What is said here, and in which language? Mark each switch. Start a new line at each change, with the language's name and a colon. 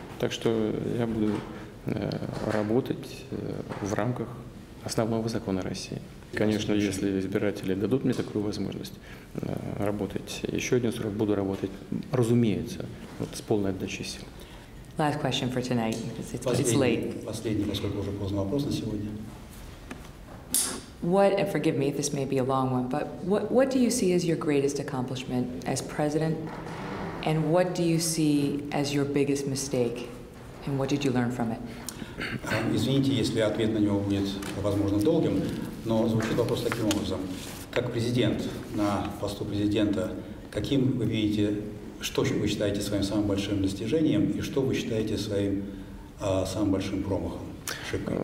Russian: Так что я буду работать в рамках основного закона России. Конечно, если избиратели дадут мне такую возможность работать еще один срок, буду работать, разумеется, вот, с полной отдачей сил.
English: Last question for tonight, because it's late.
Russian: Последний, поскольку уже поздно, вопрос на сегодня.
English: What, and forgive me if this may be a long one, but what do you see as your greatest accomplishment as president, and what do you see as your biggest mistake, and what did you learn from it?
Russian: Извините, если ответ на него будет, возможно, долгим, но звучит вопрос таким образом. Как президент на посту президента, каким вы видите, что вы считаете своим самым большим достижением и что вы считаете своим самым большим промахом, ошибкой?